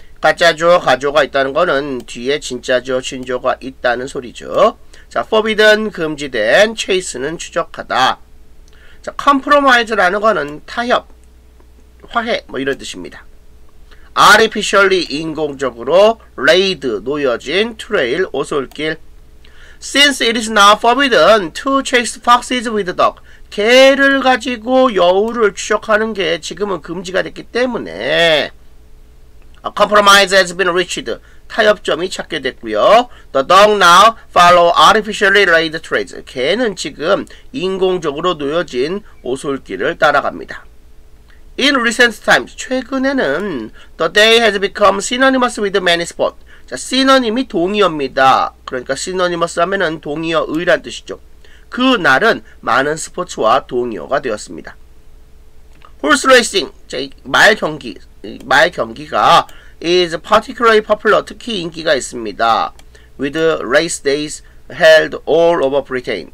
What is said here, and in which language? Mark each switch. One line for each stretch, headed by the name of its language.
Korean: 가짜 주어 가조가 있다는 거는 뒤에 진짜 주어 진조가 있다는 소리죠. 자, forbidden, 금지된, chase는 추적하다. 자, compromise라는 거는 타협, 화해, 뭐 이런 뜻입니다. 아티피셜리 인공적으로 레이드 놓여진 트레일 오솔길.
English: Since it is now forbidden to chase foxes with dog.
Korean: 개를 가지고 여우를 추적하는 게 지금은 금지가 됐기 때문에
English: A compromise has been reached.
Korean: 타협점이 찾게 됐고요.
English: The dog now follow artificially laid trails.
Korean: 개는 지금 인공적으로 놓여진 오솔길을 따라갑니다.
English: In recent times,
Korean: 최근에는
English: the day has become synonymous with many sports.
Korean: 자, synonym이 동의어입니다. 그러니까 synonymous 하면은 동의어, 의란 뜻이죠. 그 날은 많은 스포츠와 동의어가 되었습니다.
English: Horse racing,
Korean: 자, 말 경기, 말 경기가
English: is particularly popular,
Korean: 특히 인기가 있습니다.
English: With race days held all over Britain.